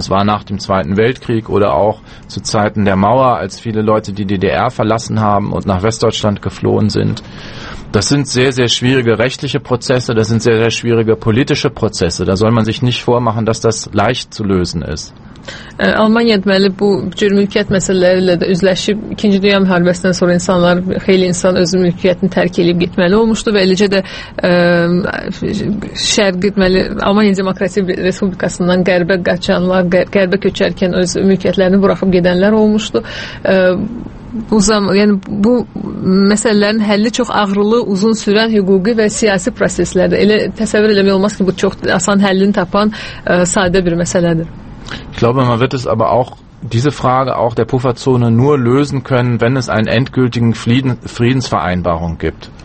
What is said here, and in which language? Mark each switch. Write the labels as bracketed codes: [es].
[de] Das war nach dem Zweiten Weltkrieg oder auch zu Zeiten der Mauer, als viele Leute die DDR verlassen haben und nach Westdeutschland geflohen sind. Das sind sehr, sehr schwierige rechtliche Prozesse, das sind sehr, sehr schwierige politische Prozesse. Da soll man sich nicht vormachen, dass das leicht zu lösen ist. [az] Almanya deməli bu cür mülkiyyət məsələləri də üzləşib ikinci dünya müharibəsindən sonra insanlar xeyli insan öz mülkiyyətini tərk edib getməli olmuşdu və eləcə də şərq deməli Almanya Demokratik Respublikasından qərbə qaçanlar, qərbə köçərkən öz mülkiyyətlərini buraxıb gedənlər olmuşdu. Bu zaman, yəni bu məsələlərin həlli çox ağrılı, uzun sürən hüquqi və siyasi proseslərdir. Elə təsəvvür eləmək olmaz ki, bu çox asan həllini tapan sadə bir məsələdir. [de] Ich glaube, man wird es aber auch, diese Frage auch der Pufferzone nur lösen können, wenn es einen endgültigen Friedensvereinbarung gibt.